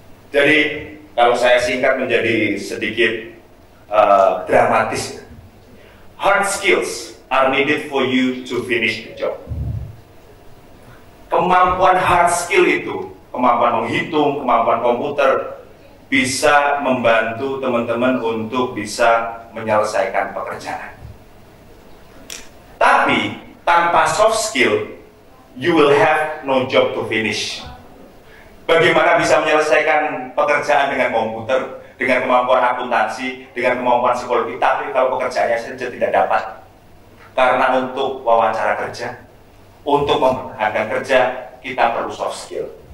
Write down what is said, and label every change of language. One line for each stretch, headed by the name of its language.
Indonesian: Jadi kalau saya singkat menjadi sedikit dramatis,
English: hard skills are needed for you to finish the job.
Indonesian: Kemampuan hard skill itu, kemampuan menghitung, kemampuan komputer, bisa membantu teman-teman untuk bisa menyelesaikan pekerjaan. Tapi, tanpa soft skill,
English: you will have no job to finish.
Indonesian: Bagaimana bisa menyelesaikan pekerjaan dengan komputer, dengan kemampuan akuntansi, dengan kemampuan psikologi, tapi kalau pekerjaannya saja tidak dapat. Karena untuk wawancara kerja, untuk memenangkan kerja, kita perlu soft skill.